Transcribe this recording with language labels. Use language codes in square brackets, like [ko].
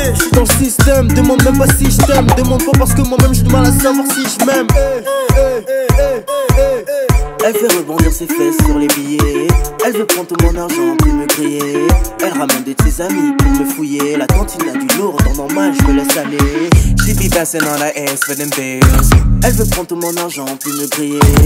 [fr] Je suis dans le système, demande même pas si je t'aime. Demande pas parce que moi-même, j'ai du mal à savoir si je m'aime. Elle fait rebondir ses fesses sur les billets. Elle veut prendre tout mon argent pour me crier. Elle ramène de ses amis pour me fouiller. La cantine a du lourd, dans normal, je me laisse aller. [en] She be passing on the ass for them bills. [fr] Elle veut prendre tout mon argent pour me crier.